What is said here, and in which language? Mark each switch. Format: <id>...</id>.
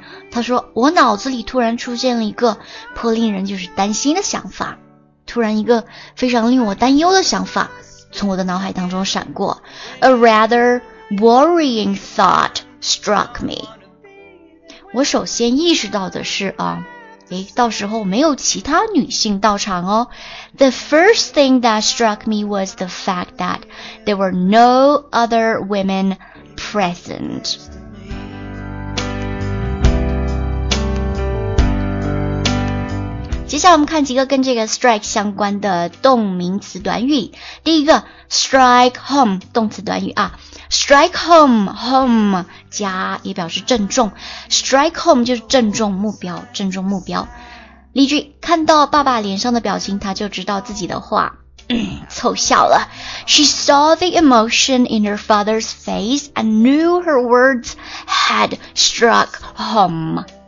<zh>他说，我脑子里突然出现了一个颇令人就是担心的想法，突然一个非常令我担忧的想法从我的脑海当中闪过。</zh> <en>A rather worrying thought struck me.</en> <zh>我首先意识到的是啊，诶，到时候没有其他女性到场哦。</zh> <en>The first thing that struck me was the fact that there were no other women present.</en> <zh>接下来我们看几个跟这个 strike 相关的动名词短语。第一个 strike home 动词短语啊， strike home， home 加也表示正中， strike home 就是正中目标，正中目标。李俊看到爸爸脸上的表情，他就知道自己的话凑效了。</zh> <en>She saw the emotion in her father's face and knew her words had struck home.</en>